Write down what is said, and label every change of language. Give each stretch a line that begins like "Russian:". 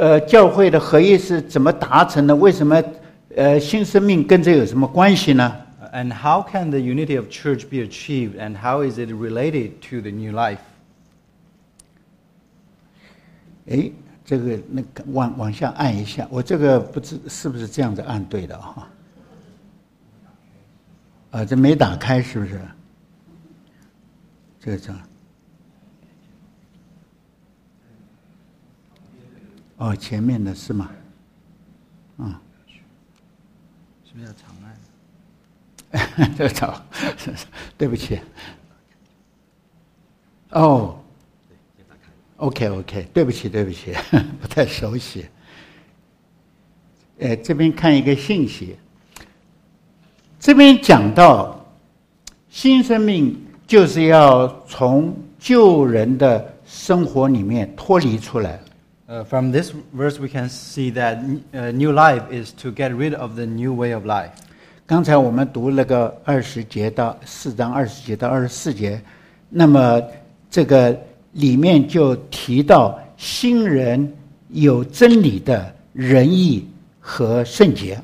Chinese: 那为什么要透教会的合一是怎么达成的?为什么新生命跟这有什么关系呢?
English: And how can the unity of church be achieved? And how is it related to the new life?
Chinese: 哎，这个那往下按一下，我这个不知是不是这样子按对的。这没打开是不是？这个章。哦，前面的是吗？啊、嗯，是不是叫长按？这找，对不起。哦、OK OK， 对不起对不起，不太熟悉。这边看一个信息，这边讲到新生命就是要从旧人的生活里面脱离出来。
English: From this verse, we can see that new life is to get rid of the new way of life.
Chinese: 刚才我们读那个二十节到四章二十节到二十四节，那么这个里面就提到新人有真理的仁义和圣洁。